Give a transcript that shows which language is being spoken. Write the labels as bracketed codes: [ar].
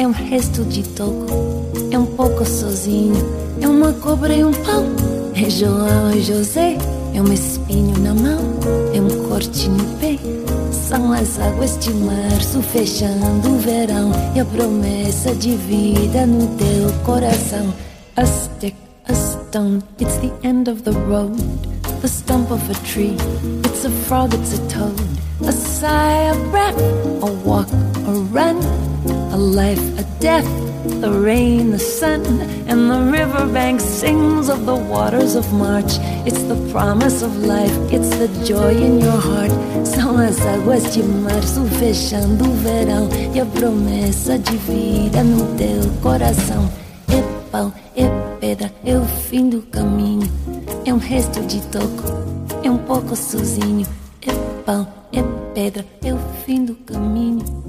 [pt] Resto de toco, é pouco sozinho, é cobra e pão, é João e José, é espinho na mão, é corte no pé, são as águas de março fechando o verão, e a promessa de vida no teu coração. [en] A stick, a stone, it's the end of the road, the stump of a tree, it's a frog, it's a toad, a sigh, a breath, a walk, a run, a life, a death. the rain, the sun, and the riverbank sings of the waters of March. It's the promise of life, it's the joy in your heart. [pt] São as águas de março fechando o verão e a promessa de vida no teu coração. É pau, é pedra, é o fim do caminho. É resto de toco, é pouco sozinho. É pau, é pedra, é o fim do caminho.